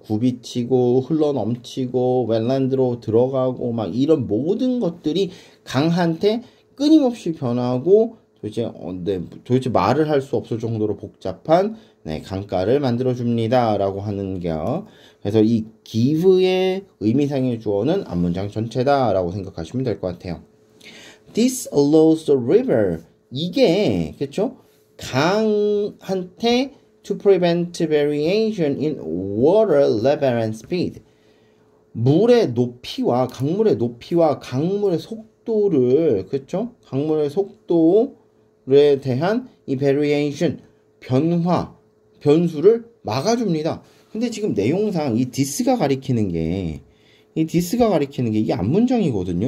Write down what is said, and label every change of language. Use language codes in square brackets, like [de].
[ko] 굽이치고 흘러넘치고 웰란드로 들어가고 막 이런 모든 것들이 강한테 끊임없이 변하고 도대체 말을 할수 없을 정도로 복잡한 네, 강가를 만들어 줍니다라고 하는 겨. 그래서 이 give의 의미상의 주어는 앞문장 전체다라고 생각하시면 될것 같아요. [en] This allows the river [ko] 이게 그렇죠? 강한테 [en] to prevent variation in water level and speed. [ko] 물의 높이와 강물의 높이와 강물의 속도를 그렇죠? 강물의 속도에 대한 이 variation 변화 변수를 막아줍니다. 근데 지금 내용상 이 this가 가리키는 게이 this가 가리키는 게이 앞문장이거든요.